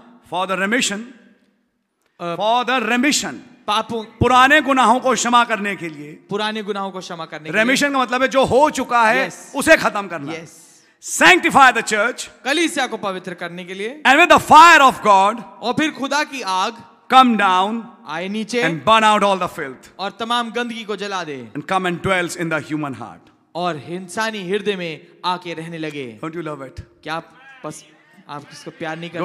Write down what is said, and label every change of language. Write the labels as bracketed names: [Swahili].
[English] for the remission, for the remission, [Hindi] पापों, पुराने गुनाहों को क्षमा करने के लिए. पुराने गुनाहों को क्षमा करने, रेमिशन का मतलब है जो हो चुका है. [English] yes. [Hindi] उसे खत्म करना. [English] yes. Sanctify the church, [Hindi] कलीसिया को पवित्र करने के लिए. [English] and with the fire of God, [Hindi] और फिर खुदा की आग, [English] come down, [Hindi] आए नीचे, [English] and burn out all the filth, [Hindi] और तमाम गंदगी को जला दे, [English] and come and dwells in the human heart, [Hindi] और इंसानी हृदय में आके रहने लगे. [English] Don't you love it? [Hindi] क्या आप इसको प्यार नहीं करते?